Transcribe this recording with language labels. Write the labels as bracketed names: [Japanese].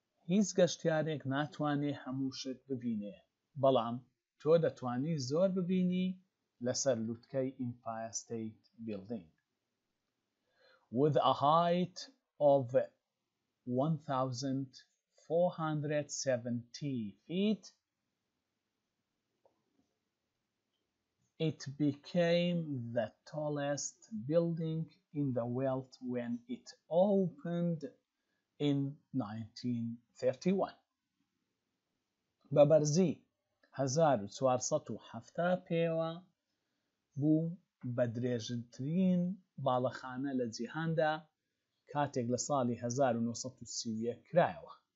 [Central Kurdish] هیچ گەشتیارێک ناتوانێ هەمووشت ببینێ، بەڵام تۆ دەتوانی زۆر ببینی لەسەر لووتکەی Empire State Building. [English] With a height of 1,470 feet, it became the tallest building in the world when it opened in 1931. [Central Kurdish] بەبەرزی 1470 پێوە بوو بەدرێژترین باڵەخانە لە جیهاندا کاتێک لە ساڵی 1930 کرایەوە.